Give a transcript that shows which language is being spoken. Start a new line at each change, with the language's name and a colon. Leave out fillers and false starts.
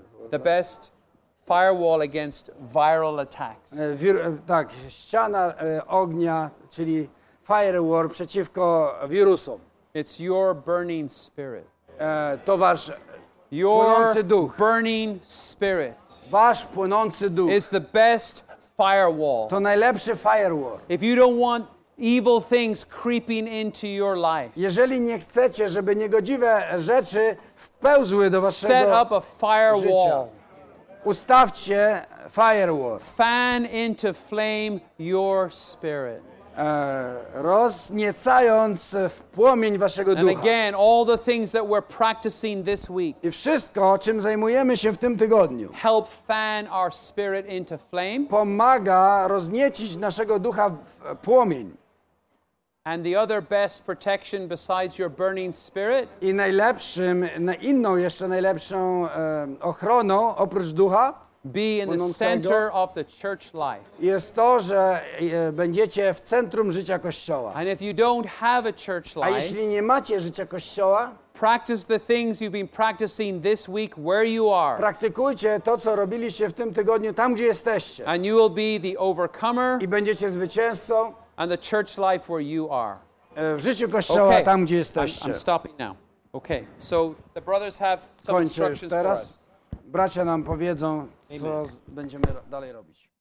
English: The best firewall against viral attacks.
Polish: Tak, ściana ognia, czyli firewall przeciwko wirusom.
English: It's your burning spirit.
Polish: To wasz płonący duch.
English: Your burning spirit.
Polish: Wasz płonący duch.
English: Is the best firewall.
Polish: To najlepszy firewall.
English: If you don't want evil things creeping into your life.
Polish: Jeżeli nie chcecie, żeby niegodziwe rzeczy wpełzły do waszego życia.
English: Set up a firewall.
Polish: Życia. Ustawcie firewall.
English: Fan into flame your spirit.
Polish: Rozniecając w płomień waszego ducha.
English: And again, all the things that we're practicing this week.
Polish: I wszystko, czym zajmujemy się w tym tygodniu.
English: Help fan our spirit into flame.
Polish: Pomaga rozniecić naszego ducha w płomień.
English: And the other best protection besides your burning spirit?
Polish: I najlepszym, na inną jeszcze najlepszą ochroną oprócz ducha?
English: Be in the center of the church life.
Polish: Jest to, że będziecie w centrum życia kościoła.
English: And if you don't have a church life,
Polish: a jeśli nie macie życia kościoła,
English: practice the things you've been practicing this week where you are.
Polish: Praktykujcie to, co robiliście w tym tygodniu tam, gdzie jesteście.
English: And you will be the overcomer.
Polish: I będziecie zwycięzcą.
English: And the church life where you are.
Polish: W życiu kościoła, okay. Tam, gdzie jesteście.
English: I'm stopping now. Okay. So the brothers have some
Polish: kończę
English: instructions
Polish: teraz.
English: For us.
Polish: Bracia nam powiedzą, amen. Co będziemy dalej robić.